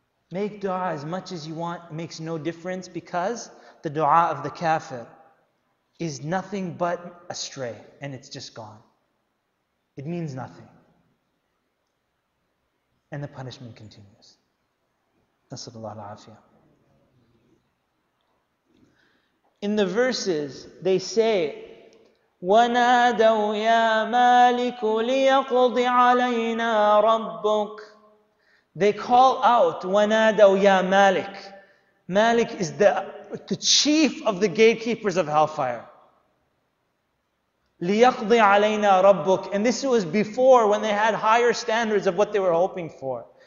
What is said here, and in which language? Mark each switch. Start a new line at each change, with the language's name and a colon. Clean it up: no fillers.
English: Make dua as much as you want, it makes no difference, because the dua of the kafir is nothing but astray, and it's just gone. It means nothing. And the punishment continues.
Arabic: نَسْأَلُ اللَّهَ الْعَافِيَةَ.
English: In the verses, they say,
Arabic: وَنَادَوْا يَا مَالِكُ لِيَقْضِ عَلَيْنَا رَبُّكَ.
English: They call out,
Arabic: وَنَادَوْا يَا مَالِكُ.
English: Malik is the chief of the gatekeepers of hellfire.
Arabic: لِيَقْضِ عَلَيْنَا رَبُّكَ.
English: And this was before, when they had higher standards of what they were hoping for.